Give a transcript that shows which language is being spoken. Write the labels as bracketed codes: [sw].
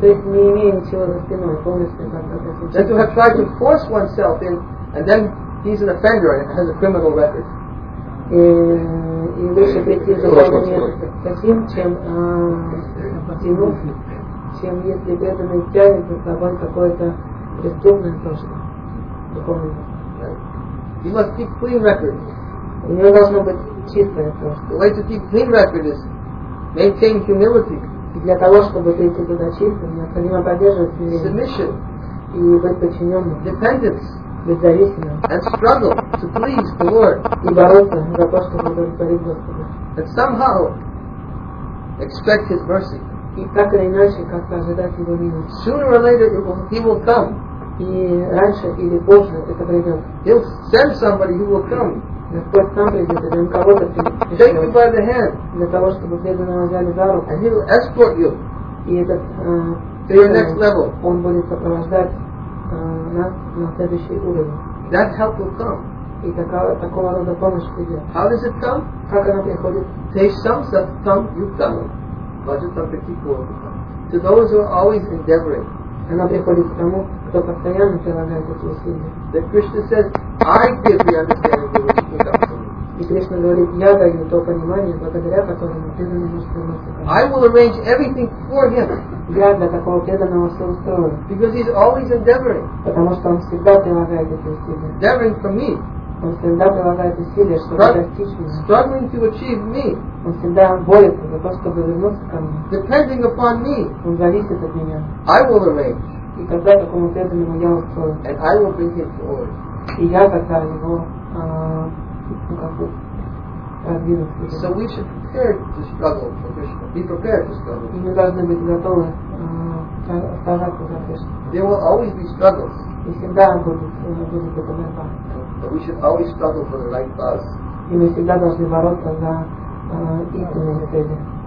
[ru] То есть не имея ничего за спиной, полностью так сказать. [en] That you have tried to force oneself in, and then he's an offender and has a criminal record. [ru] И лучше прийти в духовный мир таким, чем потянув. Чем если преданный тянет за собой какое-то преступное прошлое духовное. [en] You must keep clean record. [ru] У него должно быть чистое прошлое. [en] The way to keep clean record is maintain humility. [ru] И для того, чтобы прийти туда чистым, необходимо поддерживать смирение. [en] Submission. [ru] И быть подчиненным. [en] Dependence. [ru] Независимым. [en] And struggle to please the Lord. [ru] И бороться за то, чтобы удовлетворить Господа. [en] And somehow expect His mercy. [ru] И так или иначе, как-то ожидать его милости. [en] Sooner or later he will come. [ru] И раньше или позже это придет. [en] He'll send somebody who will come. [ru] Господь сам придет, и он кого-то придет. [en] Take him by the hand. [ru] Для того, чтобы преданного взяли за руку. [en] And he'll escort you. [ru] И этот, [en] to your next level. [ru] Он будет сопровождать нас на следующий уровень. [en] That help will come. [ru] И такого рода помощь придет. [en] How does it come? [ru] Как она приходит? [en] Take some stuff, come, you come. To those who are always endeavoring. [ru] Она приходит к тому, кто постоянно прилагает эти усилия. [en] That Krishna says, I give the understanding to which you can come. [ru] И Кришна говорит, я даю то понимание, благодаря которому преданный может вернуться. [en] I will arrange everything for him. [ru] Я для такого преданного все устрою. [en] Because he's always endeavoring. [ru] Потому что он всегда прилагает эти усилия. [en] Endeavoring for me. [ru] Он всегда прилагает усилия, чтобы достичь меня. [en] Struggling to achieve me. [ru] Он всегда борется за то, чтобы вернуться ко мне. [en] Depending upon me. [ru] Он зависит от меня. [en] I will arrange. [ru] И тогда такому преданному я устрою. [en] And I will bring him forward. [ru] И я тогда его, продвину. [en] So we should prepare to struggle for Krishna. Be prepared to struggle. [ru] И мы должны быть готовы сражаться за Кришну. [en] There will always be struggles. [ru] И всегда будет эта борьба. [en] But we should always struggle for the right path. [ru] И мы всегда должны бороться за истинные цели.